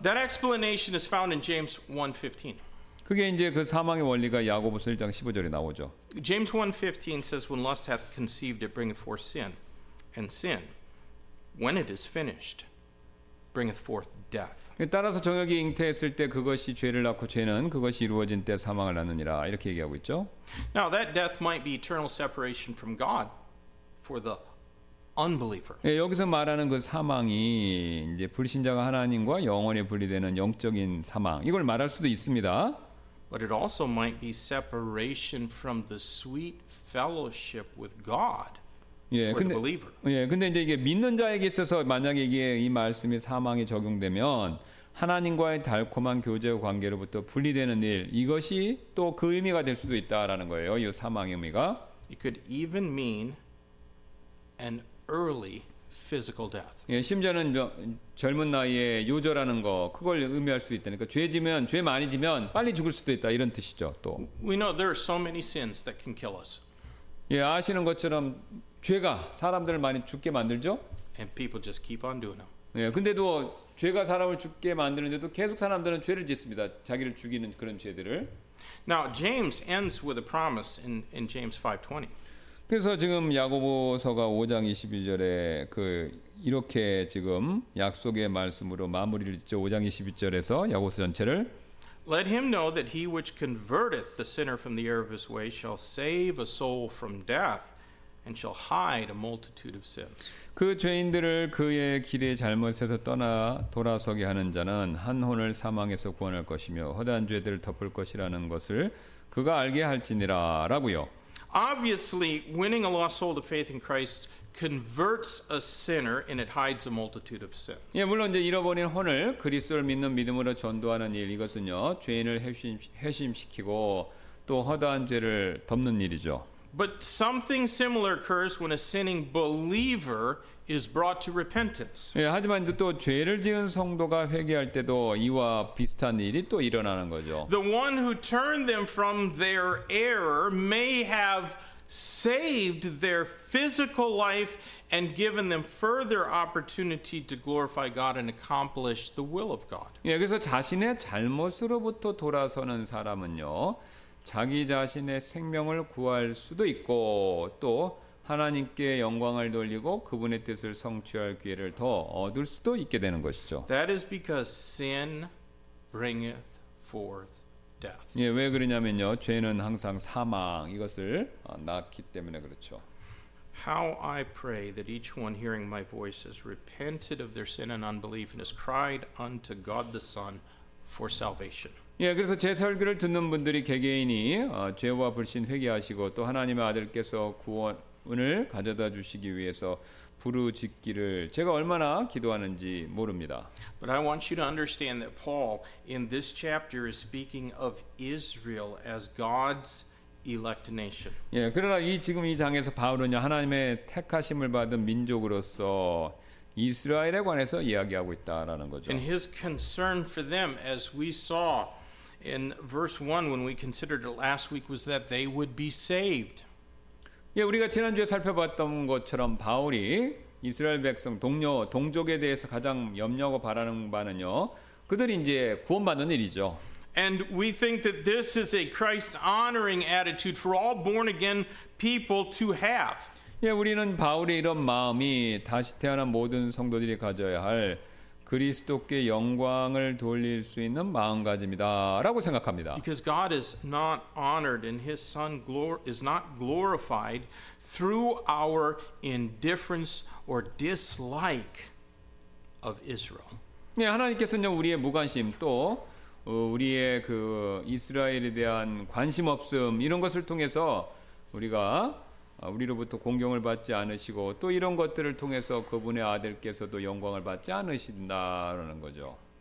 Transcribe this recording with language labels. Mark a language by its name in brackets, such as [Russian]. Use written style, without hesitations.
[English] That explanation is found in James 1:15. [Korean] 그게 이제 그 사망의 원리가 야고보서 1장 15절에 나오죠. [English] James 1:15 says when lust hath conceived it bringeth forth sin and sin when it is finished bringeth forth death. [Korean] 따라서 정욕이 잉태했을 때 그것이 죄를 낳고 죄는 그것이 이루어진 때 사망을 낳느니라 이렇게 얘기하고 있죠. [English] Now that death might be eternal separation from God for the unbeliever. [Korean] 예, 여기서 말하는 그 사망이 이제 불신자가 하나님과 영원히 분리되는 영적인 사망 이걸 말할 수도 있습니다. [English] But it also might be separation from the sweet fellowship with God. [Korean] 예, 근데 이제 이게 믿는 자에게 있어서 만약에 이게 이 말씀이 사망에 적용되면 하나님과의 달콤한 교제 관계로부터 분리되는 일 이것이 또 그 의미가 될 수도 있다라는 거예요. 이 사망의 의미가. [English] It could even mean an early physical death. [Korean] 예, 심지어는 젊은 나이에 요절하는 거 그걸 의미할 수도 있다니까 죄지면 죄 많이 지면 빨리 죽을 수도 있다 이런 뜻이죠. 또. [English] We know there are so many sins that can kill us. [Korean] 예, 아시는 것처럼 죄가 사람들을 많이 죽게 만들죠. [English] And people just keep on doing them. [Korean] 예, 근데도 죄가 사람을 죽게 만드는데도 계속 사람들은 죄를 짓습니다. 자기를 죽이는 그런 죄들을. [English] Now James ends with a promise in James 5:20. [Korean] 그래서 지금 야고보서가 5장 22절에 그 이렇게 지금 약속의 말씀으로 마무리를 짓죠. 5장 22절에서 야고보서 전체를 [English] Let him know that he which converteth the sinner from the error of his way shall save a soul from death. And shall hide a multitude of sins. [Korean] 그 죄인들을 그의 길의 잘못에서 떠나 돌아서게 하는 자는 한 혼을 사망에서 구원할 것이며 허다한 죄들을 덮을 것이라는 것을 그가 알게 할지니라라고요. [English] Obviously, winning a lost soul to faith in Christ converts a sinner, and it hides a multitude of sins. [Korean] 예, 물론 이제 잃어버린 혼을 그리스도를 믿는 믿음으로 전도하는 일 이것은요 죄인을 회심시키고 또 허다한 죄를 덮는 일이죠. [English] But something similar occurs when a sinning believer is brought to repentance. [Korean] 예, 하지만 또 죄를 지은 성도가 회개할 때도 이와 비슷한 일이 또 일어나는 거죠. [English] The one who turned them from their error may have saved their physical life and given them further opportunity to glorify God and accomplish the will of God. [Korean] 예, 그래서 자신의 잘못으로부터 돌아서는 사람은요. 자기 자신의 생명을 구할 수도 있고 또 하나님께 영광을 돌리고 그분의 뜻을 성취할 기회를 더 얻을 수도 있게 되는 것이죠. [English] That is because sin bringeth forth death. [Korean] 예, 왜 그러냐면요. 죄는 항상 사망 이것을 낳기 때문에 그렇죠. [English] How I pray that each one hearing my voice has repented of their sin and unbelief and has cried unto God the Son for salvation. [Korean] 예, 그래서 제 설교를 듣는 분들이 개개인이 죄와 불신 회개하시고 또 하나님의 아들께서 구원을 가져다 주시기 위해서 부르짖기를 제가 얼마나 기도하는지 모릅니다. [English] But I want you to understand that Paul in this chapter is speaking of Israel as God's elect nation. [Korean] 예, 그러나 이 지금 이 장에서 바울은요 하나님의 택하심을 받은 민족으로서 이스라엘에 관해서 이야기하고 있다라는 거죠. [English] And his concern for them, as we saw in verse 1 when we considered it last week, was that they would be saved. [Korean] 예, 우리가 지난주에 살펴봤던 것처럼 바울이 이스라엘 백성 동료 동족에 대해서 가장 염려하고 바라는 바는요, 그들이 이제 구원받는 일이죠. [English] And we think that this is a Christ-honoring attitude for all born-again people to have. [Korean] 예, 우리는 바울의 이런 마음이 다시 태어난 모든 성도들이 가져야 할 그리스도께 영광을 돌릴 수 있는 마음가짐이다라고 생각합니다. [English] Because God is not honored and His Son is not glorified through our indifference or dislike of Israel. [Korean] 예, 하나님께서는 우리의 무관심 또 우리의 그 이스라엘에 대한 관심 없음 이런 것을 통해서 우리가 우리로부터 공경을 받지 않으시고 또 이런 것들을 통해서 그분의 아들께서도 영광을 받지 않으신다라는 거죠.